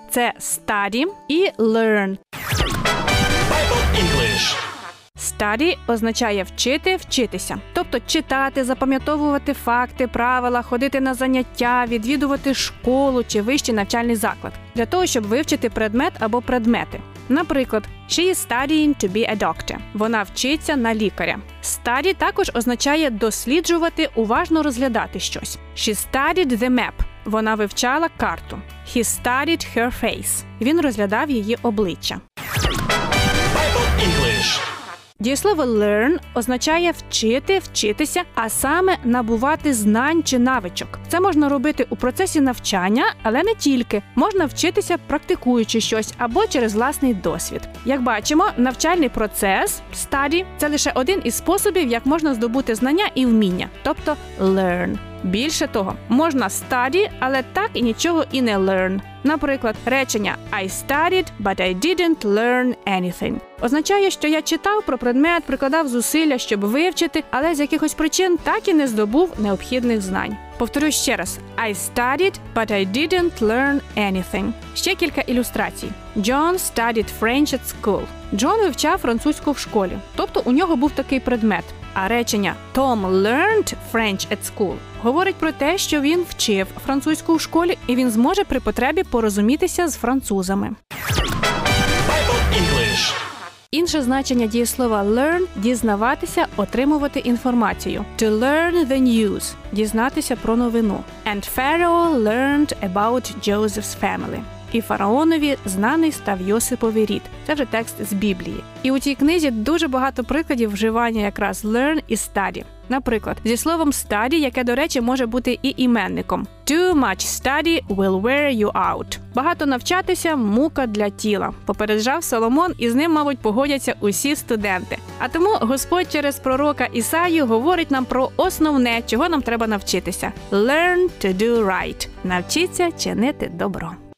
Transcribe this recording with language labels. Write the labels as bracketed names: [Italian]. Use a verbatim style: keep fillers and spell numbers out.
[Ukrainian] Це study і learn. [English] Bible English. [Ukrainian] Study означає вчити, вчитися. Тобто читати, запам'ятовувати факти, правила, ходити на заняття, відвідувати школу чи вищий навчальний заклад. Для того, щоб вивчити предмет або предмети. [English] Наприклад, she is studying to be a doctor. [Ukrainian] Вона вчиться на лікаря. Study також означає досліджувати, уважно розглядати щось. [English] She studied the map. [Ukrainian] Вона вивчала карту. [English] He studied her face. [Ukrainian] Він розглядав її обличчя. [English] Bible English. [Ukrainian] Дієслово learn означає вчити, вчитися, а саме набувати знань чи навичок. Це можна робити у процесі навчання, але не тільки. Можна вчитися, практикуючи щось або через власний досвід. Як бачимо, навчальний процес, study – це лише один із способів, як можна здобути знання і вміння, тобто learn. Більше того, можна study, але так і нічого і не learn. Наприклад, речення [English] I studied, but I didn't learn anything [Ukrainian] означає, що я читав про предмет, прикладав зусилля, щоб вивчити, але з якихось причин так і не здобув необхідних знань. Повторю ще раз. [English] I studied, but I didn't learn anything. [Ukrainian] Ще кілька ілюстрацій. [English] John studied French at school. [Ukrainian] Джон вивчав французьку в школі, тобто у нього був такий предмет. А речення [English] Tom learned French at school [Ukrainian] говорить про те, що він вчив французьку в школі і він зможе при потребі порозумітися з французами. [English] Bible English. [Ukrainian] Інше значення дієслова learn – дізнаватися, отримувати інформацію. [English] To learn the news – [Ukrainian] дізнатися про новину. [English] And Pharaoh learned about Joseph's family. [Ukrainian] І фараонові знаний став Йосиповий рід. Це вже текст з Біблії. І у цій книзі дуже багато прикладів вживання якраз learn і study. Наприклад, зі словом study, яке, до речі, може бути і іменником. [English] Too much study will wear you out. [Ukrainian] Багато навчатися – мука для тіла. Попереджав Соломон, і з ним, мабуть, погодяться усі студенти. А тому Господь через пророка Ісаю говорить нам про основне, чого нам треба навчитися. [English] Learn to do right. [Ukrainian] Навчіться чинити добро.